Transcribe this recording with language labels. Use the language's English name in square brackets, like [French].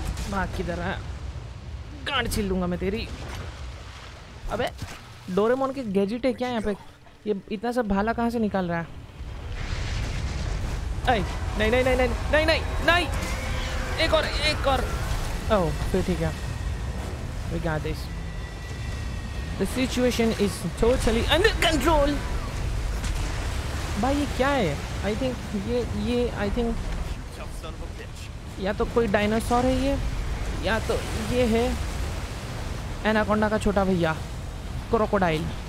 [Hindi] भाग किधर है गांड छील लूंगा मैं तेरी अबे डोरेमोन के गैजेट है क्या यहाँ पे ये इतना सब भाला कहाँ से निकाल रहा है नहीं नहीं नहीं नहीं नहीं नहीं नहीं एक और ओह फिर ठीक है [English] We got this. The situation is totally under control. [Hindi] भाई ये क्या है [English] I think [Hindi] या तो कोई डायनासोर है ये या तो ये है एनाकोंडा का छोटा भैया क्रोकोडाइल